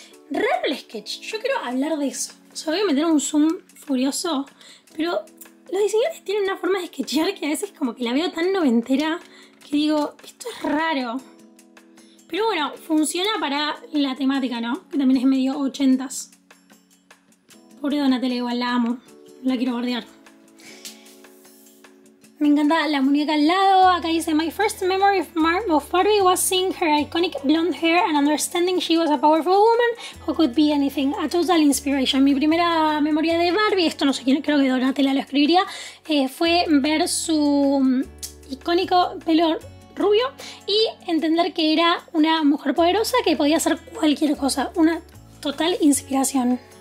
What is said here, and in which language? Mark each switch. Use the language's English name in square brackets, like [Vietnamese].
[Spanish] Raro el sketch, yo quiero hablar de eso. O sea, voy a meter un zoom furioso, pero los diseñadores tienen una forma de sketchear que a veces como que la veo tan noventera que digo, esto es raro. Pero bueno, funciona para la temática, ¿no? Que también es medio ochentas. Pobre Donatella, igual la amo. La quiero bordear. Me encanta la muñeca al lado. Acá dice, [English] my first memory of Barbie was seeing her iconic blonde hair and understanding she was a powerful woman who could be anything. A total inspiration. [Spanish] Mi primera memoria de Barbie, esto no sé quién, creo que Donatella lo escribiría, fue ver su icónico pelo rubio y entender que era una mujer poderosa que podía hacer cualquier cosa. Una total inspiración.